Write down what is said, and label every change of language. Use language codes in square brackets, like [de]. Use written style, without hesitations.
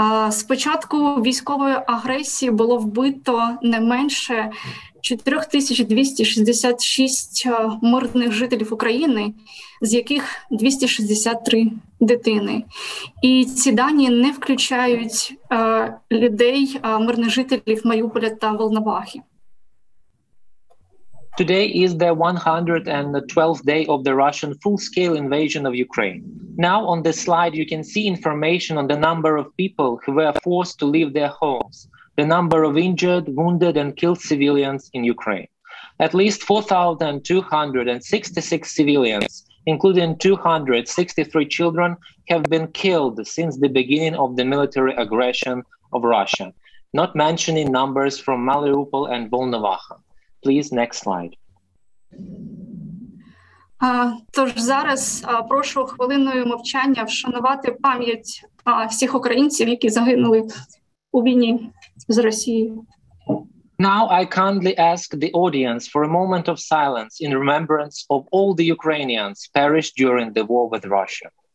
[uk] Спочатку військової агресії було вбито не менше 4266 мирних жителів України, з яких 263 дитини. І ці дані не включають людей, мирних жителів Маріуполя та Волновахи. [en] Today is the 112th day of the Russian full-scale invasion of Ukraine. Now on this slide you can see information on the number of people who were forced to leave their homes, the number of injured, wounded and killed civilians in Ukraine. At least 4,266 civilians, including 263 children, have been killed since the beginning of the military aggression of Russia, not mentioning numbers from Mariupol and Volnovakha. Please, next slide. [uk] Тож зараз прошу хвилиною мовчання вшанувати пам'ять всіх українців, які загинули у війні з Росією. [en] Now I kindly ask the audience for a moment of silence in remembrance of all the Ukrainians perished during the war with Russia.